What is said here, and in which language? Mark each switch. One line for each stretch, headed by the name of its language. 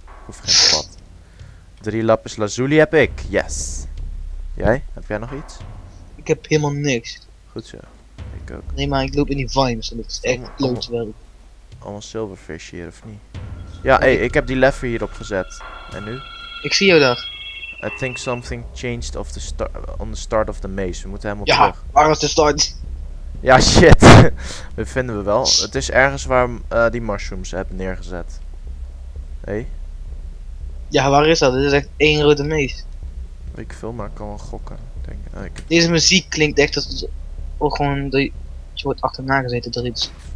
Dutch: Ik hoef geen pad. 3 lapis lazuli heb ik,
English: yes!
Dutch: Jij, heb jij nog iets? Ik heb helemaal niks. Goed zo, ik ook. Nee, maar ik loop in die vines en dat is echt klote werk. Allemaal silverfish hier, of niet? Ja, hey, ik heb die lever hierop gezet. En nu? Ik zie jou daar.
English: I think something changed of the on the start of the maze.
Dutch: We moeten helemaal ja, terug. Ja, waar was de start? Ja, shit. Dat vinden we wel. Het is ergens waar die mushrooms hebben neergezet. Hé? Hey? Ja, waar is dat? Dit is echt één grote maze. Ik veel, maar ik kan wel gokken. Denk ik. Deze muziek klinkt echt als ook gewoon dat je wordt achterna gezeten door iets.